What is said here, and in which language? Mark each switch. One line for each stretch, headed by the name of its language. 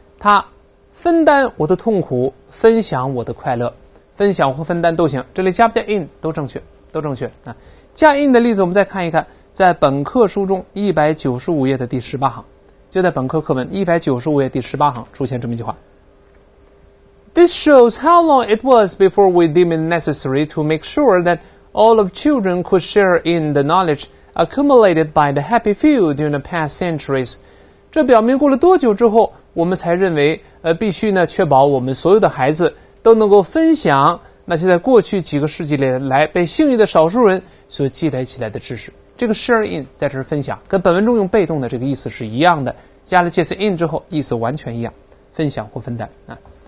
Chinese: 她分担我的痛苦，分享我的快乐，分享或分担都行。这里加不加 in 都正确，都正确。啊，加 in 的例子，我们再看一看，在本课书中195页的第18行。就在本科课文195页第18行出现这么一句话。
English: This shows how long it was before we deemed it necessary to make sure that all of children could share in the knowledge accumulated by the happy few during the past centuries.
Chinese: 这表明过了多久之后，我们才认为必须呢确保我们所有的孩子都能够分享那些在过去几个世纪里来被幸运的少数人所积累起来的知识。这个
English: share in
Chinese: 在这儿分享，跟本文中用被动的这个意思是一样的，加了介词 in 之后意思完全一样，分享或分担啊。